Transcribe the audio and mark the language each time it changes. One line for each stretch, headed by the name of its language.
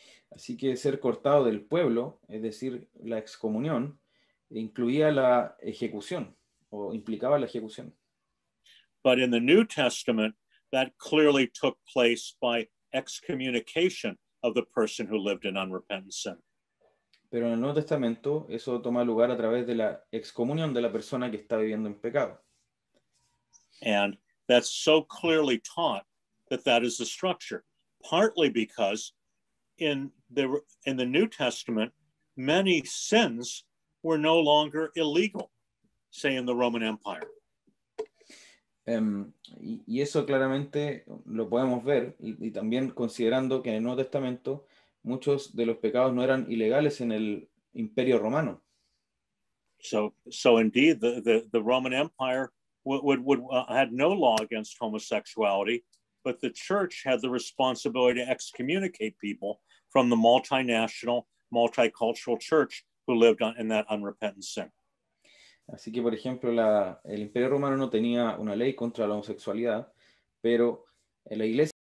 Spanish: Así que ser cortado del pueblo, es decir, la excomunión, incluía la ejecución o implicaba la ejecución.
English: But in the New Testament, that clearly took place by excommunication of the person who lived in unrepentant sin.
Spanish: Pero en el Nuevo Testamento eso toma lugar a través de la excomunión de la persona que está viviendo en pecado.
English: And that's so clearly taught that that is the structure, partly because in the New Testament, many sins were no longer illegal, say in the Roman Empire.
Spanish: Y eso claramente lo podemos ver, y también considerando que en el Nuevo Testamento muchos de los pecados no eran ilegales en el Imperio Romano.
English: So indeed, the Roman Empire had no law against homosexuality, but the church had the responsibility to excommunicate people from the multinational, multicultural church who lived in that unrepentant sin.
Spanish: Así que, por ejemplo, el Imperio Romano no tenía una ley contra la homosexualidad, pero la iglesia